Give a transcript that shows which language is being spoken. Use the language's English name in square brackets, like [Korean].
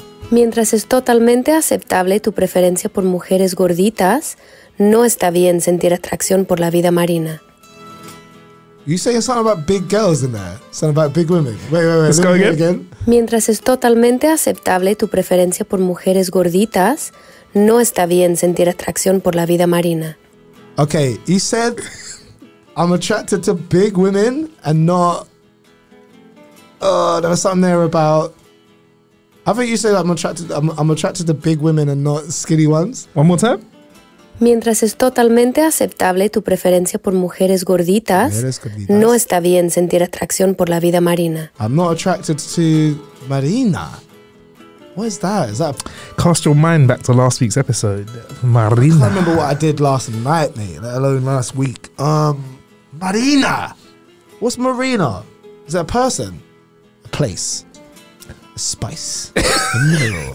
[Spanish] Mientras es totalmente aceptable tu preferencia por mujeres gorditas, no está bien sentir atracción por la vida marina. [English] You say something about big girls in there. Something about big women. Wait. Let's go again. [Spanish] Mientras es totalmente aceptable tu preferencia por mujeres gorditas, no está bien sentir atracción por la vida marina. [English] Okay, you said I'm attracted to big women and not... there was something there about... I think you said I'm attracted to big women and not skinny ones. One more time. [Spanish] Mientras es totalmente aceptable tu preferencia por mujeres gorditas, no está bien sentir atracción por la vida marina. [English] I'm not attracted to marina. What is that? Is that cast your mind back to last week's episode, marina? I can't remember what I did last night, mate. Let alone last week. Marina. What's marina? Is that a person? A place? A spice? A mineral?